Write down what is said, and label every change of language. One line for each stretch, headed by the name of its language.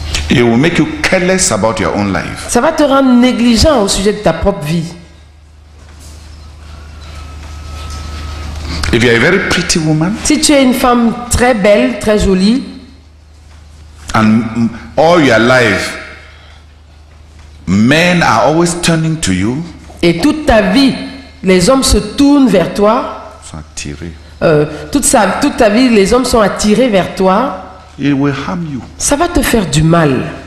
English: It will make you careless about your own life.
French: Ça va te rendre négligent au sujet de ta propre vie.
English: If you are a very pretty woman,
French: si tu es une femme très belle, très jolie,
English: and all your life, men are always turning to you,
French: et toute ta vie, les hommes se tournent vers toi, sont attirés. Toute ta vie, les hommes sont attirés vers toi.
English: It will harm you.
French: Ça va te faire du mal.